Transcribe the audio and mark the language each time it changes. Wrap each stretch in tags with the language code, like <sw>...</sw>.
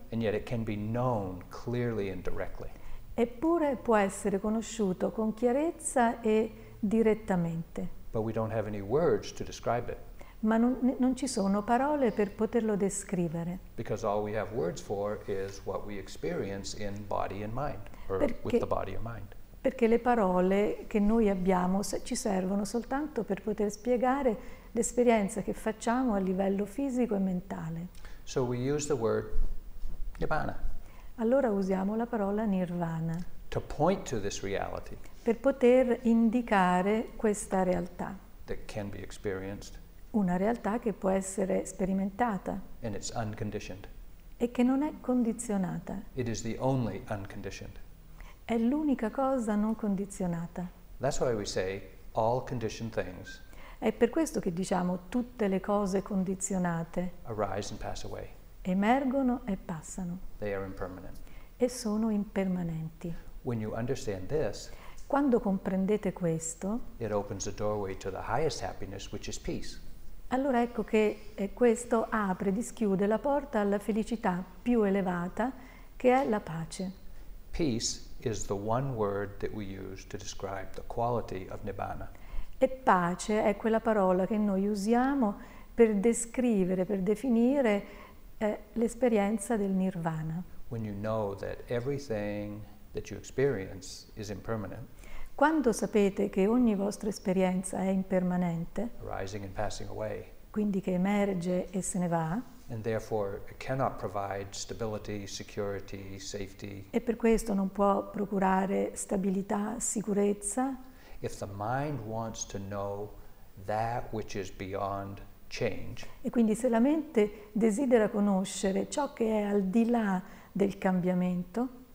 <en>And yet it can be known clearly and directly.</en> <it>Eppure può essere conosciuto con chiarezza e direttamente.</it> <en>But we don't have any words to describe it.</en> <it>Ma non ci sono parole per poterlo descrivere.</it> <en>Because all we have words for is what we experience in body and mind, or with the body and mind.</en> <it>Perché le parole che noi abbiamo ci servono soltanto per poter spiegare l'esperienza che facciamo a livello fisico e mentale.</it> <en>So we use the word Nibbana.</en> <it>Allora usiamo la parola Nirvana.</it> <en>To point to this reality.</en> <it>Per poter indicare questa realtà.</it> <en>That can be experienced.</en> <it>Una realtà che può essere sperimentata.</it> <en>And it's unconditioned.</en> <it>E che non è condizionata.</it> <en>It is the only unconditioned.</en> <it>È l'unica cosa non condizionata.</it> <en>That's why we say all conditioned things.</en> <it>È per questo che diciamo tutte le cose condizionate.</it> <en>Arise and pass away.</en> <it>Emergono e passano.</it> <en>They are impermanent.</en> <it>E sono impermanenti.</it> <en>When you understand this,</en> <it>quando comprendete questo,</it> <en>it opens the doorway to the highest happiness, which is peace.</en> <it>Allora ecco che questo apre, dischiude la porta alla felicità più elevata, che è la pace.</it> <en>Peace is the one word that we use to describe the quality of Nibbana.</en> <it>E pace è quella parola che noi usiamo per descrivere, per definire l'esperienza del Nirvana.</it> <en>When you know that everything that you experience is impermanent.</en> <it>Quando sapete che ogni vostra esperienza è impermanente.</it> <en>Arising and passing away.</en> <it>Quindi che emerge e se ne va.</it> <en>And therefore it cannot provide stability, security, safety.</en> <it>E per questo non può procurare stabilità, sicurezza.</it> <en>If the mind wants to know that which is beyond change.</en> <it>E quindi se la mente desidera conoscere ciò che è al di là del cambiamento,</it>